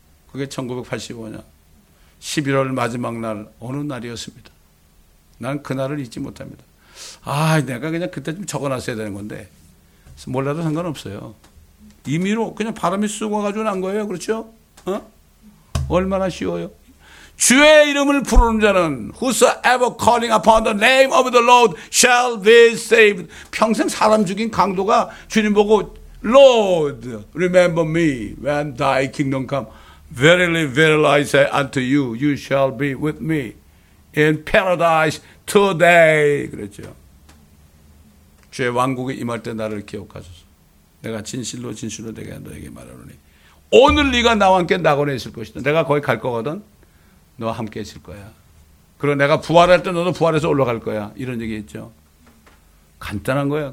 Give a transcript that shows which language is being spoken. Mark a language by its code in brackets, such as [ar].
[ko] 그게 1985년 11월 마지막 날 어느 날이었습니다. 난 그날을 잊지 못합니다. 아, 내가 그냥 그때쯤 적어놨어야 되는 건데 몰라도 상관없어요. 임의로 그냥 바람이 쑥 와가지고 난 거예요. 그렇죠? 어? 얼마나 쉬워요. 주의 이름을 부르는 자는 [en] whosoever calling upon the name of the Lord shall be saved. [ko] 평생 사람 죽인 강도가 주님 보고 [en] Lord, remember me when thy kingdom come. Verily, verily I say unto you, you shall be with me in paradise today. [ko] 그랬죠. 주의 왕국이 임할 때 나를 기억하소서. 내가 진실로 진실로 내게 너에게 말하노니 오늘 네가 나와 함께 낙원에 있을 것이다. 내가 거기 갈 거거든. 너와 함께 있을 거야. 그리고 내가 부활할 때 너도 부활해서 올라갈 거야. 이런 얘기 했죠. 간단한 거야.